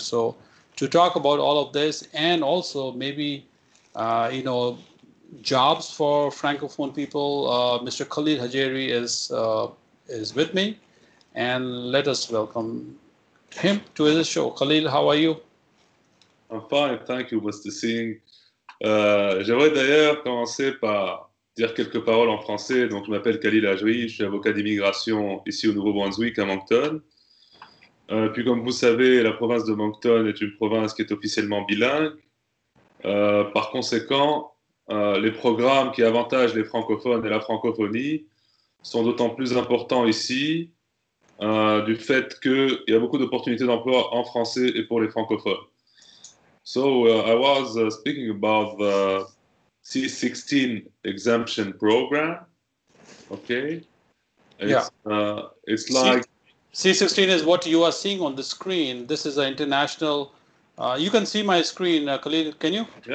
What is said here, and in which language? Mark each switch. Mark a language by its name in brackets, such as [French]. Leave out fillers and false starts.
[English] So to talk about all of this and also maybe, you know, jobs for Francophone people. Mr. Khalil Hajeri is with me, and let us welcome him to the show. Khalil, how are you? I'm fine, thank you, Mr. Singh. [French] J'aimerais d'ailleurs commencer par dire quelques paroles en français. Donc, je m'appelle Khalil Hajeri, je suis avocat d'immigration ici au Nouveau-Brunswick à Moncton. Puis, comme vous savez, la province de Moncton est une province qui est officiellement bilingue. Par conséquent, les programmes qui avantagent les francophones et la francophonie sont d'autant plus importants ici du fait qu'il y a beaucoup d'opportunités d'emploi en français et pour les francophones. [English] So I was speaking about the C-16 exemption program, okay? It's like C-16 is what you are seeing on the screen. This is an international. You can see my screen, Khalil. Can you?